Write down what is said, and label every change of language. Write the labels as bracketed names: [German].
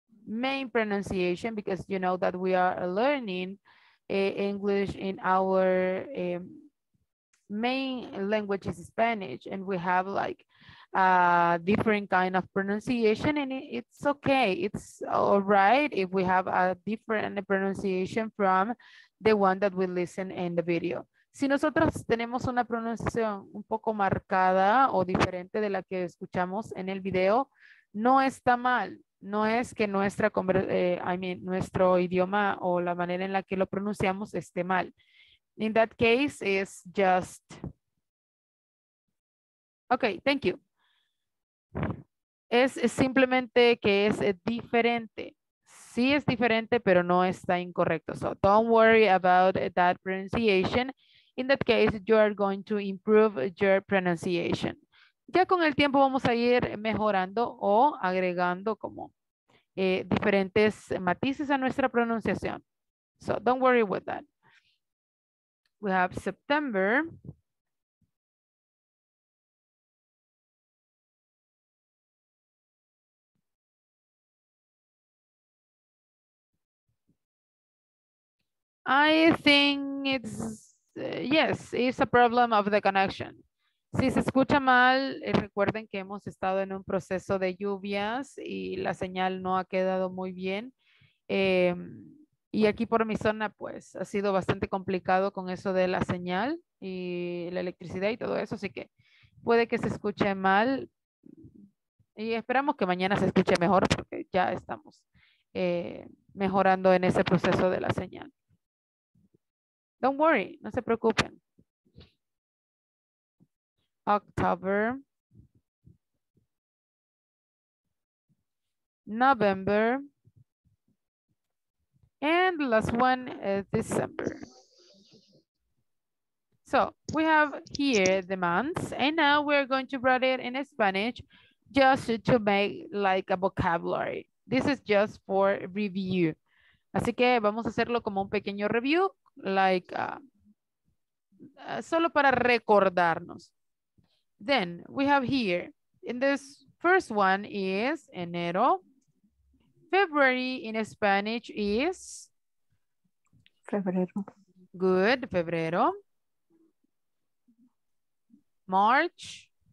[English] main pronunciation, because you know that we are learning English in our main language is Spanish, and we have like a different kind of pronunciation, and it's okay, it's all right if we have a different pronunciation from the one that we listen in the video. [Spanish] Si nosotros tenemos una pronunciación un poco marcada o diferente de la que escuchamos en el video, no está mal. No es que nuestra, nuestro idioma o la manera en la que lo pronunciamos esté mal. [English] In that case, it's just... Okay, thank you. [Spanish] Es simplemente que es diferente. Sí es diferente, pero no está incorrecto. [English] So don't worry about that pronunciation. In that case, you are going to improve your pronunciation. [Spanish] Ya con el tiempo vamos a ir mejorando o agregando como diferentes matices a nuestra pronunciación. [English] So don't worry with that. We have September. I think it's, yes, it's a problem of the connection. [Spanish] Si se escucha mal, recuerden que hemos estado en un proceso de lluvias y la señal no ha quedado muy bien. Y aquí por mi zona, pues, ha sido bastante complicado con eso de la señal y la electricidad y todo eso. Así que puede que se escuche mal. Y esperamos que mañana se escuche mejor, porque ya estamos mejorando en ese proceso de la señal. [English] Don't worry, [Spanish] no se preocupen. [English] October, November, and last one is December. So we have here the months, and now we're going to write it in Spanish just to make like a vocabulary. This is just for review. [Spanish] Así que vamos a hacerlo como un pequeño review, like solo para recordarnos. [English] Then we have here, in this first one is enero. February in Spanish is? [Spanish] Febrero. [English] Good, febrero. March?